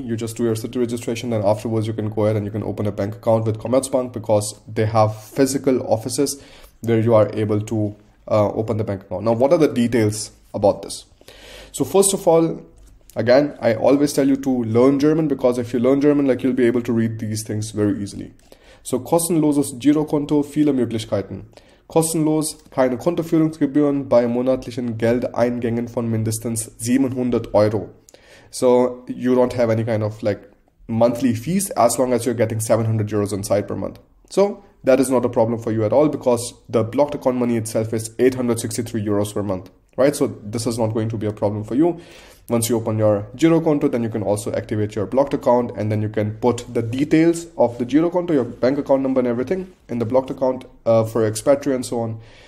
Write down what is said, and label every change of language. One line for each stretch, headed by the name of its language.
English: You just do your city registration, then afterwards you can go ahead and you can open a bank account with Commerzbank, because they have physical offices where you are able to open the bank account. Now, what are the details about this? So first of all, again, I always tell you to learn German, because if you learn German, like you'll be able to read these things very easily.
German: So kostenloses Girokonto, viele Möglichkeiten. Kostenlos, keine Kontoführungsgebühren bei monatlichen Geldeingängen von mindestens 700 Euro.
English: So you don't have any kind of like monthly fees as long as you're getting 700 euros inside per month. So that is not a problem for you at all, because the blocked account money itself is 863 euros per month, right? So this is not going to be a problem for you. Once you open your Girokonto, then you can also activate your blocked account, and then you can put the details of the Girokonto, your bank account number and everything, in the blocked account for expatriate and so on.